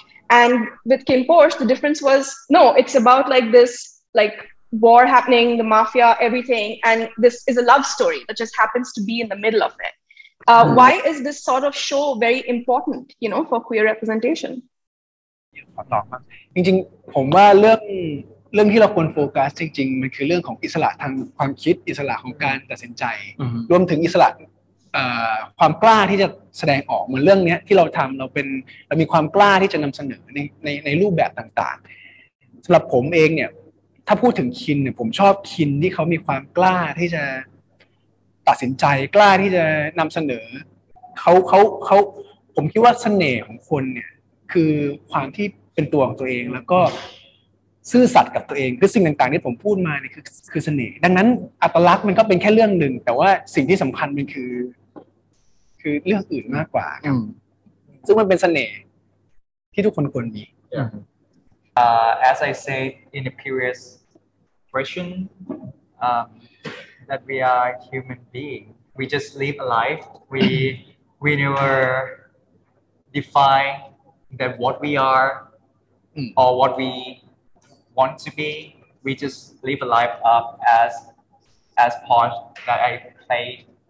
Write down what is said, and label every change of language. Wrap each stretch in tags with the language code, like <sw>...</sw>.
<en>And with KinnPorsche, the difference was, no, it's about like this, like war happening, the mafia, everything. And this is a love story that just happens to be in the middle of it. Why is this sort of show very important, you know, for queer representation?</en> <th>จริงๆผมว่าเรื่องที่เราควรโฟกัสจริงๆมันคือเรื่องของอิสระทางความคิดอิสระของการตัดสินใจรวมถึงอิสระความกล้าที่จะแสดงออกเหมือนเรื่องนี้ที่เราทำเรามีความกล้าที่จะนำเสนอในรูปแบบต่างๆสำหรับผมเองเนี่ยถ้าพูดถึงคินเนี่ยผมชอบคินที่เขามีความกล้าที่จะ ตัดสินใจกล้าที่จะนำเสนอเขาผมคิดว่าเสน่ห์ของคนเนี่ยคือความที่เป็นตัวของตัวเองแล้วก็ซื่อสัตย์กับตัวเองคือสิ่งต่างๆที่ผมพูดมาเนี่ยคือเสน่ห์ดังนั้นอัตลักษณ์มันก็เป็นแค่เรื่องหนึ่งแต่ว่าสิ่งที่สำคัญมันคือเรื่องอื่นมากกว่าซึ่งมันเป็นเสน่ห์ที่ทุกคนควรมี</th> <en>As I said in a previous question that we are human being we just live a life we never defineThat what we are, or what we want to be, we just live a life up as Porsche that I played.</en>